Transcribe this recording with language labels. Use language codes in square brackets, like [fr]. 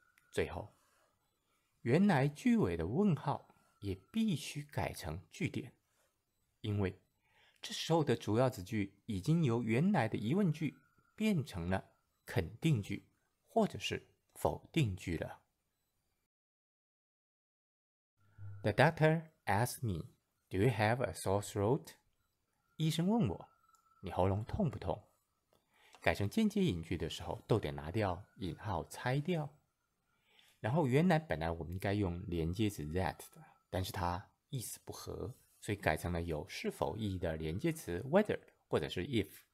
[zh] 最后原来句尾的问号也必须改成句点，因为这时候的主要子句已经由原来的疑问句变成了肯定句或者是否定句了。 [en] The doctor asked me, Do you have a sore throat? [zh] 医生问我，你喉咙痛不痛？改成间接引句的时候，逗点拿掉，引号拆掉，然后原来本来我们应该用连接词 that 的，但是它意思不合，所以改成了有是否意义的连接词 whether 或者是 if。